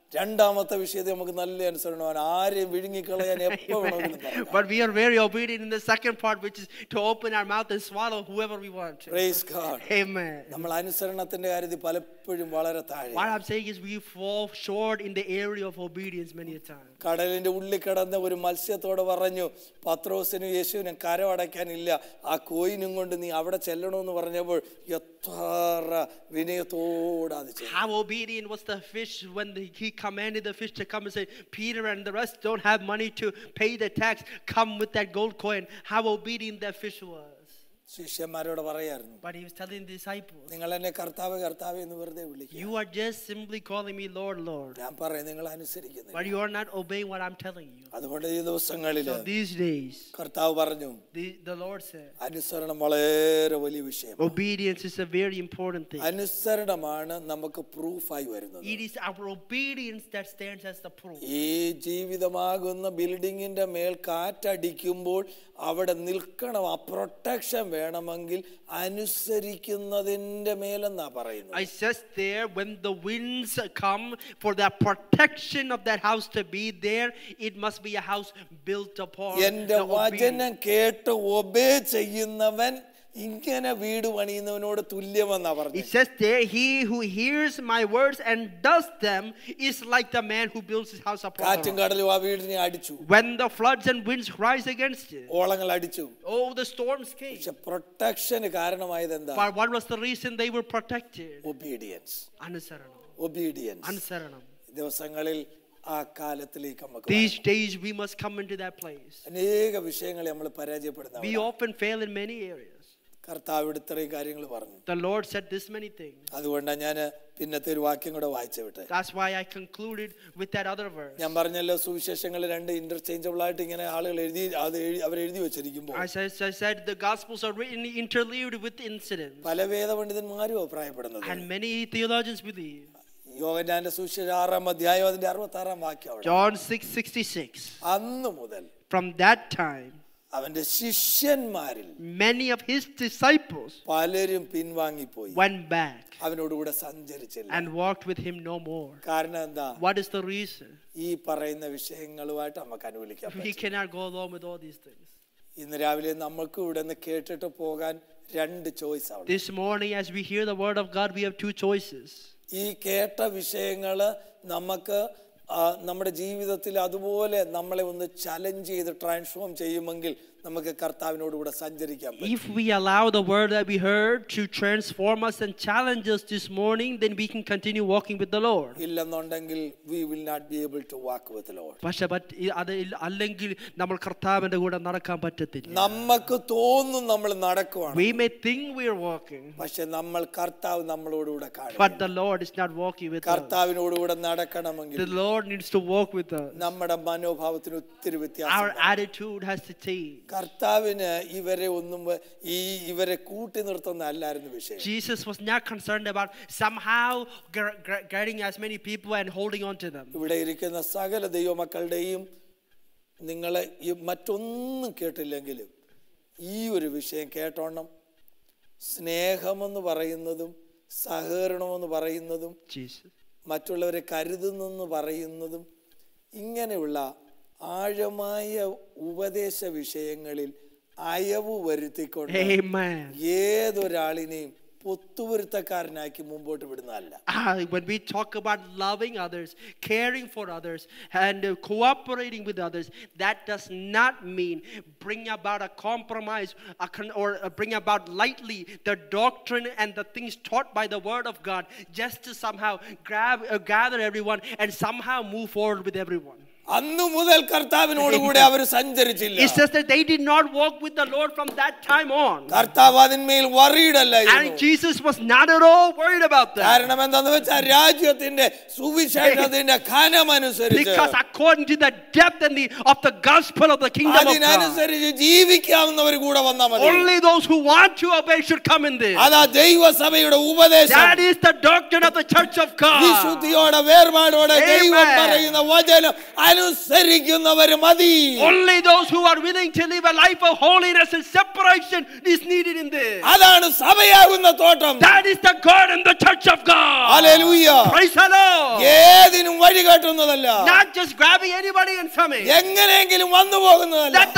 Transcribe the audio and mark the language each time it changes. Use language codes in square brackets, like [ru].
[ml] രണ്ടാമത്തെ വിഷയത്തെ നമുക്ക് നല്ല അനുസരണമാണ്, ആരെയും വിഴുങ്ങിക്കളയാൻ എപ്പോ വേണമെങ്കിലും. [en] But we are very obedient in the second part, which is to open our mouth and swallow whoever we want to. Praise God. Amen. [ml] നമ്മൾ അനുസരണത്തിന്റെ കാര്യത്തിൽ പലപ്പോഴും വളരെ താഴെ. [en] What I'm saying is we fall short in the area of obedience many a time. [ml] കടലിന്റെ ഉള്ളിൽ കിടന്ന ഒരു മത്സ്യത്തോട് പറഞ്ഞു, പത്രോസിനും യേശുവിനും കരമടയ്ക്കാനില്ല, ആ കോയിനും കൊണ്ട് നീ അവിടെ ചെല്ലണമെന്ന് പറഞ്ഞപ്പോൾ എത്ര വിനയത്തോടെ അത് ചെയ്തു. [en] How obedient was the fish when he commanded the fish to come and say, Peter and the rest don't have money to pay the tax, come with that gold coin. How obedient that fish was. [ml] ശിഷ്യന്മാരോട് പറയായിരുന്നു, [en] but he was telling the disciples, [ml] നിങ്ങൾ എന്നെ കർത്താവേ കർത്താവേ എന്ന് വെറുതെ വിളിക്കുക, [en] you are just simply calling me lord lord. [ml] ഞാൻ പറയുന്നത് നിങ്ങൾ അനുസരിക്കുന്നില്ല, [en] but you are not obeying what I'm telling you. [ml] അതുകൊണ്ട് ഈ ദിവസങ്ങളിൽ, [en] so these days, [ml] കർത്താവ് പറഞ്ഞു, [en] the lord said, [ml] അനുസരണം വളരെ വലിയ വിഷയമാണ്. [en] Obedience is a very important thing. [ml] അനുസരണമാണ് നമുക്ക് പ്രൂഫ് ആയി വരുന്നത്. [en] It is our obedience that stands as the proof. [ml] ഈ ജീവിതമാകുന്ന ബിൽഡിംഗിന്റെ മേൽ കാറ്റടിക്കുമ്പോൾ അവിടെ നിൽക്കണം, ആ പ്രൊട്ടക്ഷൻ വേണമെങ്കിൽ അനുസരിക്കുന്നതിന്റെ മേലെന്നാ പറയുന്നത്. [en] I says there, when the winds come for the protection of that house to be there, it must be a house built upon. [ml] എന്റെ വചനം കേട്ട് ഒബേ ചെയ്യുന്നവൻ ഇങ്ങനെ വീട് പണിയുന്നവനോട് തുല്യമെന്നാ പറഞ്ഞു. [en] It says there, he who hears my words and does them is like the man who builds his house upon. [ml] കാറ്റും കടലും ആ വീടിനെ അടിച്ചു. [en] When the floods and winds rise against it, [ml] ഓളങ്ങൾ അടിച്ചു. [en] Oh, the storms came. [ml] പക്ഷെ പ്രൊട്ടക്ഷന് കാരണമായത് എന്താ? [en] But what was the reason they were protected? Obedience. [ml] അനുസരണം. [en] Obedience. [ml] അനുസരണം. ദിവസങ്ങളിൽ ആ കാലത്തിലേക്ക് നമുക്ക്, [en] these days we must come into that place. [ml] അനേക വിഷയങ്ങളെ നമ്മൾ പരാജയപ്പെടുന്നു. [en] We often fail in many areas. [ml] കർത്താവ് ഇത്രയും കാര്യങ്ങൾ പറഞ്ഞു. [en] The Lord said this many things. [ml] അതുകൊണ്ടാണ് ഞാൻ പിന്നത്തെ ഒരു വാക്യം കൂടെ വായിച്ചു വിട്ടത്. [en] That's why I concluded with that other verse. [ml] ഞാൻ പറഞ്ഞല്ലോ, സുവിശേഷങ്ങൾ രണ്ട് ഇന്റർചേഞ്ചബിൾ ആയിട്ട് ഇങ്ങനെ ആളുകൾ എഴുതി, അത് അവർ എഴുതി വെച്ചിരിക്കുമ്പോൾ, [en] I said the gospels are written interleaved with incidents. [ml] പല വേദ പണ്ഡിതന്മാരും അഭിപ്രായപ്പെടുന്നുണ്ട്. [en] And many theologians believe. [ml] യോഹന്നാന്റെ സുവിശേഷം 6:66 അതിന്റെ 66-ാം വാക്യം ആണ്. [en] John 6:66. [ml] അന്ന് മുതൽ, [en] from that time, [ml] അവന്റെ ശിഷ്യന്മാരിൽ, [en] many of his disciples, [ml] പലരും പിൻവാങ്ങിപ്പോയി, [en] went back, [ml] അവനോട് കൂടെ സഞ്ചരിച്ചില്ല, [en] and walked with him no more. [ml] കാരണം എന്താ? [en] What is the reason? [ml] ഈ പറയുന്ന വിഷയങ്ങളുമായിട്ട് നമുക്ക് അനുവദിക്കാൻ പറ്റില്ല. [en] We cannot go along with all these things. [ml] ഇന്ന് രാവിലെ നമുക്ക് ഇവിടെ നിന്ന് കേട്ടിട്ട് പോകാൻ രണ്ട് ചോയ്സ് ആണ്. [en] This morning as we hear the word of God, we have two choices. [ml] ഈ കേട്ട വിഷയങ്ങളെ നമുക്ക് നമ്മുടെ ജീവിതത്തിൽ അതുപോലെ നമ്മളെ ഒന്ന് ചലഞ്ച് ചെയ്ത് ട്രാൻസ്ഫോം ചെയ്യുമെങ്കിൽ നമുക്ക് കർത്താവിനോട് കൂടെ സഞ്ചരിക്കാം. [en] If we allow the word that we heard to transform us and challenge us this morning, then we can continue walking with the Lord. [ml] ഇല്ലെന്നുണ്ടെങ്കിൽ [en] we will not be able to walk with the Lord. [ml] പക്ഷേ അത് അല്ലെങ്കിൽ നമ്മൾ കർത്താവിന്റെ കൂടെ നടക്കാൻ പറ്റത്തില്ല. നമുക്ക് തോന്നും നമ്മൾ നടക്കുവാണ്. [en] We may think we are walking. [ml] പക്ഷേ നമ്മൾ കർത്താവ് നമ്മളോട് കൂടെ കാണും. [en] But the Lord is not walking with us. [ml] കർത്താവിനോട് കൂടെ നടക്കണമെങ്കിൽ [en] the Lord needs to walk with us. [ml] നമ്മുടെ മനോഭാവത്തിന് ഒത്തിരി വ്യത്യാസം. [en] Our attitude has to change. [ml] കർത്താവിന് ഇവരെ ഒന്നും ഈ ഇവരെ കൂട്ടി നിർത്തുന്നല്ലായിരുന്നു വിഷയം. [en] Jesus was not concerned about somehow getting as many people and holding on to them. [ml] ഇവിടെ ഇരിക്കുന്ന സകല ദൈവമക്കളുടെയും നിങ്ങളെ മറ്റൊന്നും കേട്ടില്ലെങ്കിലും ഈ ഒരു വിഷയം കേട്ടോണം, സ്നേഹമെന്ന് പറയുന്നതും സഹകരണമെന്ന് പറയുന്നതും മറ്റുള്ളവരെ കരുതുന്നു പറയുന്നതും ഇങ്ങനെയുള്ള ആഴമായ ഉപദേശ വിഷയങ്ങളിൽ അയവ് വരുത്തിക്കൊണ്ട് ഏതൊരാളിനെയും പൊത്തുപൊരുത്തക്കാരനാക്കി മുമ്പോട്ട് വിടുന്നതല്ല. [en] When we talk about loving others, caring for others, and cooperating with others, that does not mean bring about a compromise or bring about lightly the doctrine and the things taught by the word of God just to somehow gather everyone and somehow move forward with everyone. [ml] അന്നു മുതൽ കർത്താവിനോട് കൂടെ അവർ സഞ്ചരിച്ചില്ല. [en] It's just that they did not walk with the Lord from that time on. [ml] കർത്താവ് അതിന്മേൽ worried അല്ല. [en] And Jesus was not at all worried about that. [ml] കാരണം എന്താണെന്ന് വെച്ചാൽ രാജ്യത്തിന്റെ സുവിശേഷത്തിന്റെ കനമനുസരിച്ച്, [en] because according to the depth and the of the gospel of the kingdom of God, [ml] അതിനനുസരിച്ച് ജീവിക്കാവുന്നവർ കൂടെ വന്നാൽ മതി. [en] Only those who want to obey should come in there. [ml] അതാ ദൈവസഭയുടെ ഉപദേശം. [en] That is the doctrine of the church of God. [ml] വിശുദ്ധിയോടെ വേർപാടോടെ ദൈവം പറയുന്ന വചനം അനുസരിക്കുന്നവരെ മതി. [en] Only those who are willing to live a life of holiness and separation is needed in this. [ml] അതാണ് സഭയാകുന്ന തോട്ടം. [en] That is the garden, the church of God. Hallelujah. Praise the Lord. [ml] ഏതിനും വഴികാട്ടുന്നതല്ല. [en] Not just grabbing anybody and coming. [ml] എങ്ങനെയെങ്കിലും വന്നു പോകുന്നതല്ല.